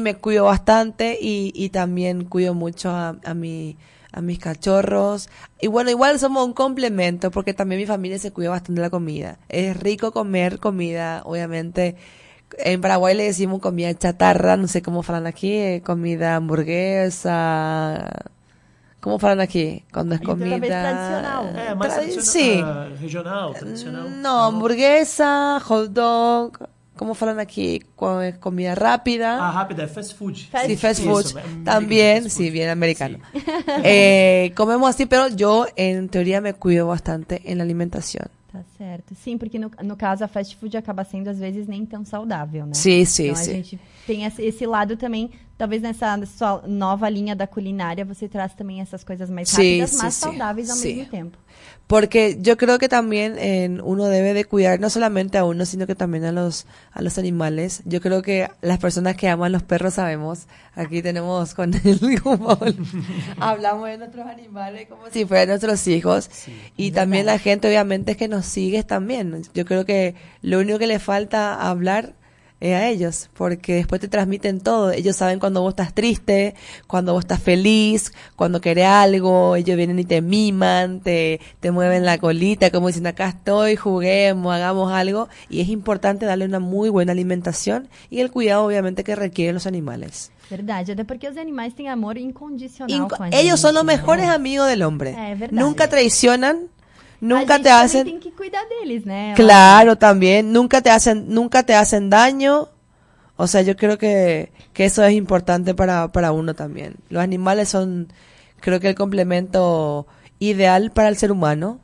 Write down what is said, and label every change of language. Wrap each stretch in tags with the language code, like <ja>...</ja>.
<pt>me cuido bastante e também cuido muito a mis cachorros.</pt> <es>Y bueno, igual somos un complemento, porque también mi familia se cuida bastante de la comida. Es rico comer comida, obviamente. En Paraguay le decimos comida chatarra, no sé cómo falan aquí, comida hamburguesa. ¿Cómo falan aquí? Cuando es comida tradicional. Sí. Regional, tradicional. No, hamburguesa, hot dog. ¿Cómo falan aquí? ¿Cuál es comida rápida? Ah, rápida, es fast food. Sí, fast food. Eso, también, fast food. Sí, bien americano. Sí. Comemos así, pero yo en teoría me cuido bastante en la alimentación.</es> <pt>Tá certo. Sim, porque no caso a fast food acaba sendo às vezes nem tão saudável, né? Sim, sim, então, sim. Então a gente tem esse lado também, talvez nessa sua nova linha da culinária você traz também essas coisas mais rápidas, sim, mas sim, saudáveis sim. ao mesmo tempo.</pt> <es>Porque yo creo que también uno debe de cuidar no solamente a uno, sino que también a los animales. Yo creo que las personas que aman los perros sabemos, aquí tenemos con él como hablamos de nuestros animales como si fueran nuestros hijos. Sí, y también verdad. La gente obviamente es que nos sigue también. Yo creo que lo único que le falta hablar es a ellos, porque después te transmiten todo. Ellos saben cuando vos estás triste, cuando vos estás feliz, cuando querés algo, ellos vienen y te miman, te mueven la colita, como diciendo, acá estoy, juguemos, hagamos algo. Y es importante darle una muy buena alimentación y el cuidado, obviamente, que requieren los animales.</es> <pt>Verdade, até porque os animais têm amor incondicional com a gente.</pt> <es>Ellos son los mejores amigos del hombre.</es> <pt>É verdade.</pt> <es>Nunca traicionan. Nunca te hacen.</es> <pt>Tem que cuidar deles, né?</pt> <es>Claro, también. Nunca te hacen daño. O sea, yo creo que eso es importante para uno también. Los animales son, creo que, el complemento ideal para el ser humano.</es>